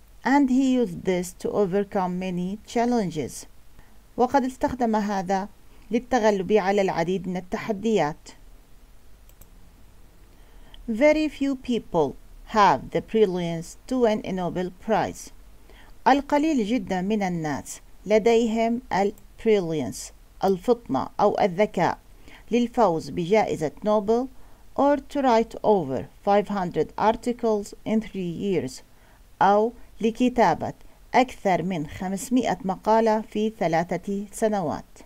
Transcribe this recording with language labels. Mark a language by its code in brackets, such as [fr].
[en] And he used this to overcome many challenges. [ar] وقد استخدم هذا للتغلب على العديد من التحديات. [en] Very few people have the brilliance to win a Nobel Prize. [ar] القليل جدا من الناس لديهم البريليانس الفطنة أو الذكاء للفوز بجائزة نوبل [en] or to write over 500 articles in 3 years [ar] أو لكتابة أكثر من 500 مقالة في 3 سنوات.